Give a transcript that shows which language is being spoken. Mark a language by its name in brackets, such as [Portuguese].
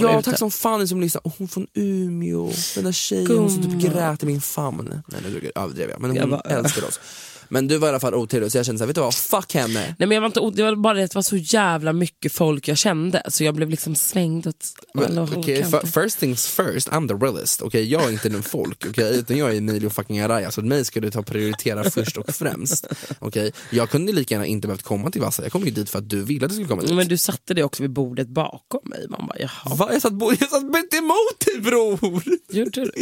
[Swedish] Ja, tack som fan ni som lyssnar. Oh, hon från Umeå, den där tjejen som typ grät i min famn. Nej, nu överdrev jag. Men hon älskar oss. Men du var i alla fall otrevlig, så jag kände såhär, vet du vad, fuck henne. Nej, men jag var inte otrevlig, det var bara det var så jävla mycket folk jag kände. Så jag blev liksom svängd åt alla. Okej, [English] first things first, I'm the realist. [Swedish] Okej, okay, jag är inte den folk, okej okay? Utan jag är Emilio fucking Araya, så mig ska du ta prioritera först och främst. Okej, okay? Jag kunde lika gärna inte behövt komma till Vassa. Jag kom ju dit för att du ville att du skulle komma dit. Men du satte dig också vid bordet bakom mig. Man bara, jaha. Va? Jag satt bett emot dig, bror. Gjorde du?